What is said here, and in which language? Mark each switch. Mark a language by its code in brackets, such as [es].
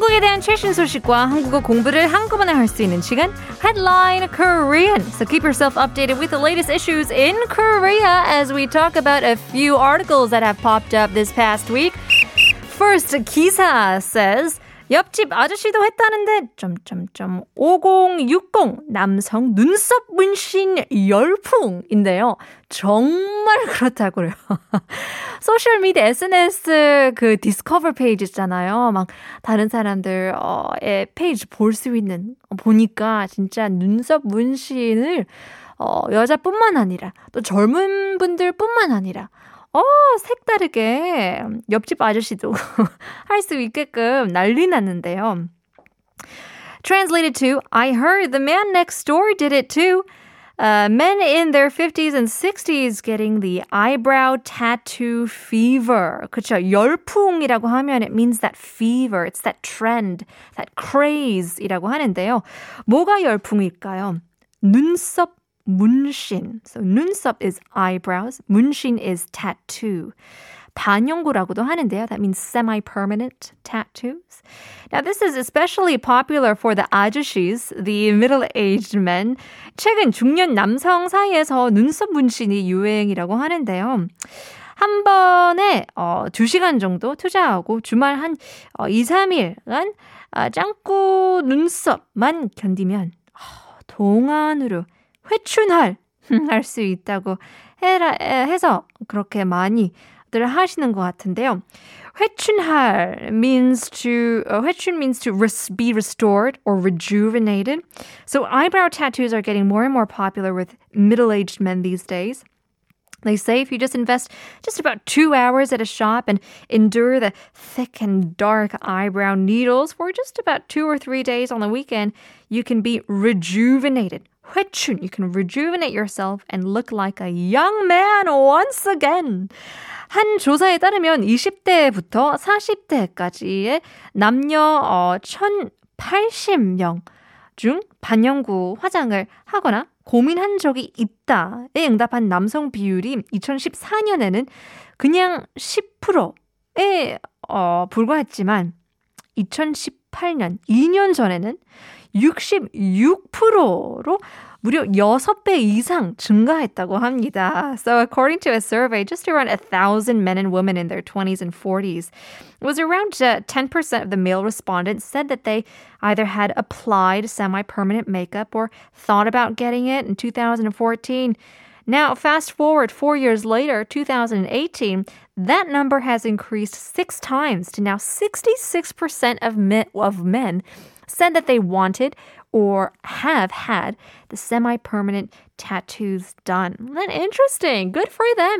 [ko] 핫한 최신 소식과 한국어 공부를 한꺼번에 할 수 있는 시간, Headline Korean. [en] So keep yourself updated with the latest issues in Korea as we talk about a few articles that have popped up this past week. First, [ko] 기사 [en] says, [ko] 옆집 아저씨도 했다는데 점점점 5060 남성 눈썹 문신 열풍인데요. 정말 그렇다고요. 소셜미디어 SNS 그 디스커버 페이지 있잖아요. 막 다른 사람들의 페이지 볼 수 있는 보니까 진짜 눈썹 문신을 여자뿐만 아니라 또 젊은 분들뿐만 아니라 색다르게 옆집 아저씨도 할 수 있게끔 난리 났는데요. [en] Translated to, I heard the man next door did it too. Men in their 50s and 60s getting the eyebrow tattoo fever. [ko] 그쵸? 열풍이라고 하면 [en] it means that fever, it's that trend, that craze [ko] 이라고 하는데요. 뭐가 열풍일까요? 눈썹 문신. [en] So 눈썹 is eyebrows, 문신 is tattoo. [ko] 반영구라고도 하는데요. [en] That means semi-permanent tattoos. Now this is especially popular for the 아저씨s, the middle-aged men. [ko] 최근 중년 남성 사이에서 눈썹 문신이 유행이라고 하는데요. 한 번에 2시간 정도 투자하고 주말 한 2-3일간 짱구 눈썹만 견디면 동안으로 회춘할 할 수 있다고 해서 그렇게 많이들 하시는 것 같은데요. [en] 회춘할 means to 회춘 means to be restored or rejuvenated. So eyebrow tattoos are getting more and more popular with middle-aged men these days. They say if you just invest just about 2 hours at a shop and endure the thick and dark eyebrow needles for just about 2 or 3 days on the weekend, you can be rejuvenated. 회춘, you can rejuvenate yourself and look like a young man once again. [ko] 한 조사에 따르면 20대부터 40대까지의 남녀 1,080명 중 반영구 화장을 하거나 고민한 적이 있다에 응답한 남성 비율이 2014년에는 그냥 10%에 불과했지만 2018년, 2년 전에는 66%로 무려 6배 이상 증가했다고 합니다. [en] So according to a survey, just around 1,000 men and women in their 20s and 40s, it was around 10% of the male respondents said that they either had applied semi-permanent makeup or thought about getting it in 2014. Now, fast forward 4 years later, 2018, that number has increased 6 times to now 66% of men said that they wanted or have had the semi-permanent tattoos done. That's interesting. Good for them.